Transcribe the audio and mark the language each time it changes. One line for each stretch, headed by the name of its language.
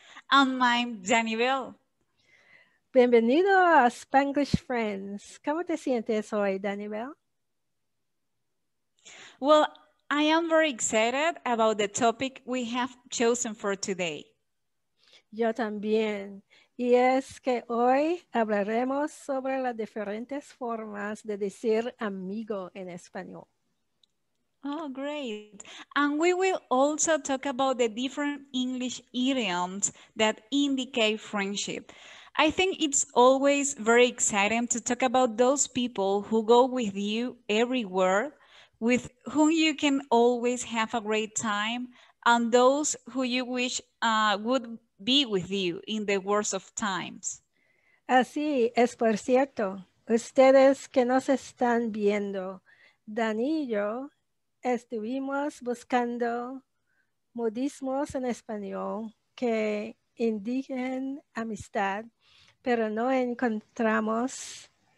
English: And I'm Danielle.
Spanish: Bienvenido a Spanglish Friends. ¿Cómo te sientes hoy, Danielle?
English: Well, I am very excited about the topic we have chosen for today.
Spanish: Yo también. Y es que hoy hablaremos sobre las diferentes formas de decir amigo en español.
English: Oh, great. And we will also talk about the different English idioms that indicate friendship. I think it's always very exciting to talk about those people who go with you everywhere, with whom you can always have a great time, and those who you wish would be with you in the worst of times.
Spanish: Así es, por cierto. Ustedes que nos están viendo, Dani y yo estuvimos buscando modismos en español que indiquen amistad, pero no encontramos.